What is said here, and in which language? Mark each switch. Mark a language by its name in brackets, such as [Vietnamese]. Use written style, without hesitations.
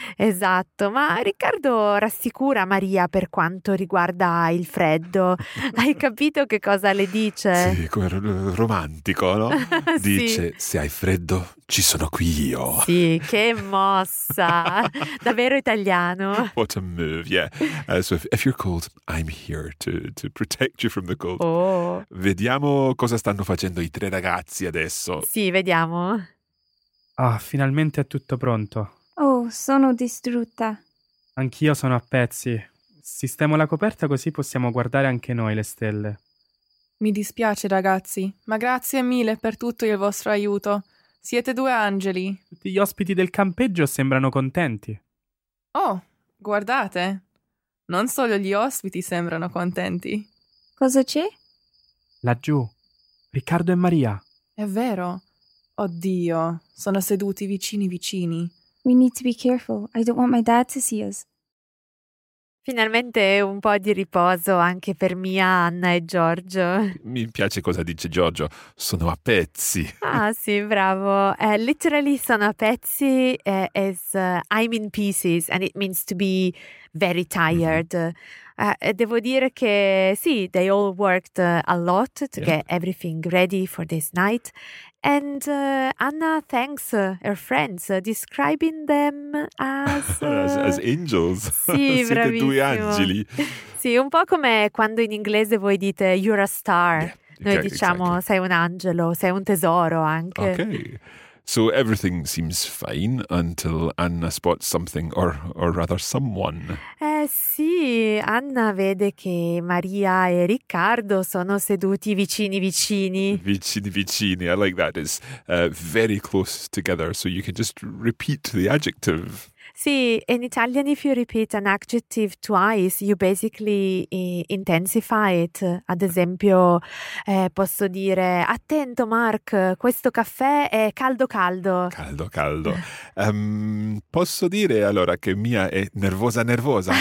[Italian] Esatto, ma Riccardo rassicura Maria per quanto riguarda il freddo. Hai capito che cosa le dice? Sì, come romantico, no? Dice, sì. Se hai freddo, ci sono qui io. Sì, che mossa! Davvero italiano. [English] What a move, yeah. So if you're cold, I'm here to protect you from the cold. Oh. [Italian] Vediamo cosa stanno facendo i tre ragazzi adesso. Sì, vediamo. Ah, finalmente è tutto pronto. Oh, sono distrutta. Anch'io sono a pezzi. Sistemo la coperta così possiamo guardare anche noi le stelle. Mi dispiace, ragazzi, ma grazie mille per tutto il vostro aiuto. Siete due angeli. Tutti gli ospiti del campeggio sembrano contenti. Oh, guardate. Non solo gli ospiti sembrano contenti. Cosa c'è? Laggiù. Riccardo e Maria. È vero. Oddio, sono seduti vicini vicini. [English] We need to be careful. I don't want my dad to see us. [Italian] Finalmente un po' di riposo anche per Mia, Anna e Giorgio. Mi piace cosa dice Giorgio. Sono a pezzi. Ah, sì, bravo. [English] Literally [Italian] sono a pezzi [English] is I'm in pieces and it means to be very tired. [Italian] Devo dire che sì, [English] they all worked a lot to get everything ready for this night. And Anna thanks her friends, describing them as... as angels. [Italian] Sì, siete bravissimo. Due angeli. Sì, un po' come quando in inglese voi dite [English] you're a star. Yeah, [Italian] noi diciamo [English] exactly. [Italian] Sei un angelo, sei un tesoro anche. [English] Okay. So everything seems fine until Anna spots something, or rather someone. [Italian] Sì, Anna vede che Maria e Riccardo sono seduti vicini vicini. Vicini vicini, [English] I like that. It's very close together, so you can just repeat the adjective. Sì, in Italian if you repeat an adjective twice, you basically intensify it. [Italian] Ad esempio, posso dire, attento Mark, questo caffè è caldo caldo. Caldo caldo. Posso dire allora che Mia è nervosa nervosa?